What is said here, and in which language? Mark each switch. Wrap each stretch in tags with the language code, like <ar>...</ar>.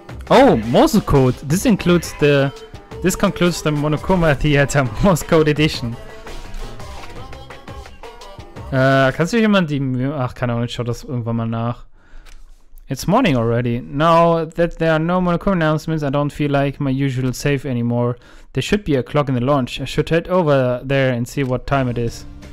<en>Oh, Morse code. This concludes the Monokuma Theater Morse code edition.</en> <de>Kannst du jemand die Mühe? Ach, keine Ahnung, ich schau das irgendwann mal nach.</de> <en>It's morning already. Now that there are no Monokuma announcements, I don't feel like my usual safe anymore. There should be a clock in the launch. I should head over there and see what time it is.</en>